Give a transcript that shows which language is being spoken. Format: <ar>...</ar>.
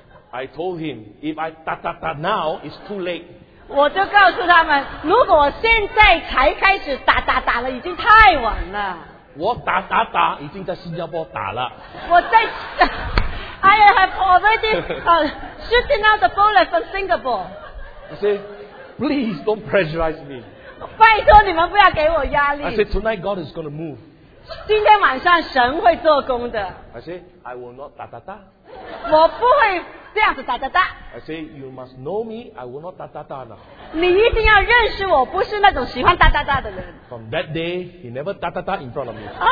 <en>I told him if I</en> <zh>打打打</zh> <en>now, it's too late.</en> <zh>我就告诉他们，如果我现在才开始打打打了，已经太晚了。我打打打已经在新加坡打了。我在</zh> <en>I have already shooting out the bullet from Singapore. I say, please don't pressurize me.</en> <zh>拜托你们不要给我压力。</zh> <en>I say, tonight God is going to move.</en> <zh>今天晚上神会做工的。</zh> <en>I say, I will not</en> <zh>打打打。我不会这样子打打打。</zh> <en>I say, you must know me, I will not</en> <zh>打打打</zh> <en>now.</en> <zh>你一定要认识我, 不是那种喜欢打打打的人。</zh> <en>From that day, he never</en> <zh>打打打</zh> <en>in front of me.</en>